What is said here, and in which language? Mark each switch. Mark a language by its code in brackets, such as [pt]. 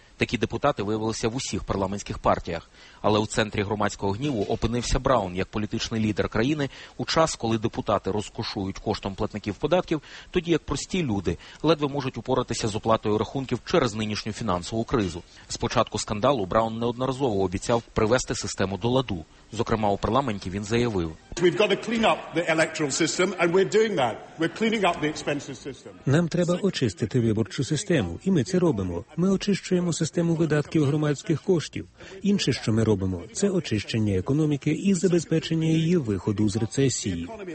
[uk] Такі депутати виявилися в усіх парламентських партіях. Але у центрі громадського гніву опинився Браун як політичний лідер країни у час, коли депутати розкошують коштом платників податків, тоді як прості люди ледве можуть упоратися з оплатою рахунків через нинішню фінансову кризу. Спочатку скандалу Браун неодноразово обіцяв привести систему до ладу. Зокрема, у парламенті він заявив: [en] "We've got to clean up the electoral system, and we're doing that. We're cleaning up the expenses system. [uk] Нам треба очистити виборчу систему, і ми це робимо. Ми очищуємо систему видатків громадських коштів. Інше, що ми робимо, це очищення економіки і забезпечення її виходу з рецесії.